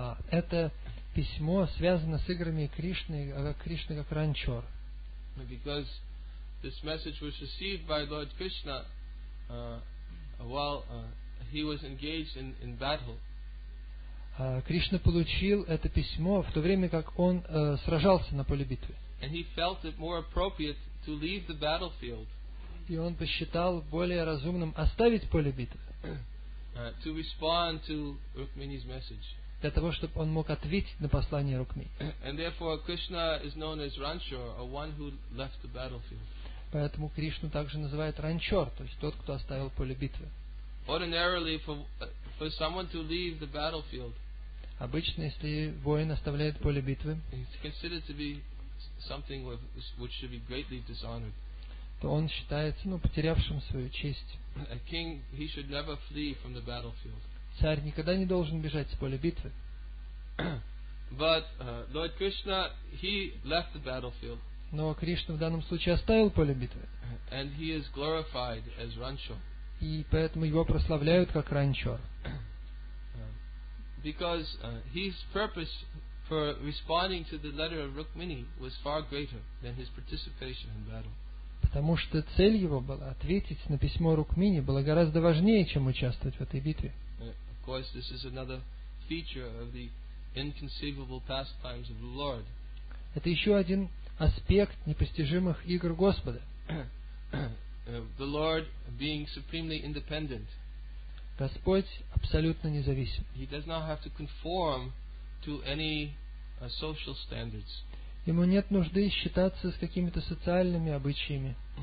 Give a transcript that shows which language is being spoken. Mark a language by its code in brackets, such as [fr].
[ru] Это письмо связано с играми Кришны, Кришны как ранчор. [en] This message was received by Lord Krishna while he was engaged in battle. [ru] Кришна получил это письмо в то время, как он сражался на поле битвы. [en] And he felt it more appropriate to leave the battlefield. [ru] И он посчитал более разумным оставить поле битвы. [en] To respond to Rukmini's message. [ru] Для того, чтобы он мог ответить на послание Рукмини. [en] And therefore Krishna is known as Ranchor, or one who left the battlefield. [ru] Поэтому Кришну также называют ранчор, то есть тот, кто оставил поле битвы. [en] Ordinarily, for someone to leave the battlefield, [ru] обычно, если воин оставляет поле битвы, [en] it's considered to be something which should be greatly dishonored. [ru] То он считается, потерявшим свою честь. [en] A king, he should never flee from the battlefield. [ru] Царь никогда не должен бежать с поля битвы. [en] But Lord Krishna, he left the battlefield. [ru] Но Кришна в данном случае оставил поле битвы. [en] And he is glorified as Ranchor. [ru] И поэтому его прославляют как ранчор. [en] Because his purpose for responding to the letter of Rukmini was far greater than his participation in battle. [ru] Потому что цель его была ответить на письмо Рукмини была гораздо важнее, чем участвовать в этой битве. [en] Of course, this is another feature of the inconceivable pastimes of the Lord. [ru] Это еще один аспект непостижимых игр Господа. [en] The Lord being supremely independent. [ru] Господь абсолютно независим. [en] He does not have to conform to any social standards. [ru] Ему нет нужды считаться с какими-то социальными обычаями.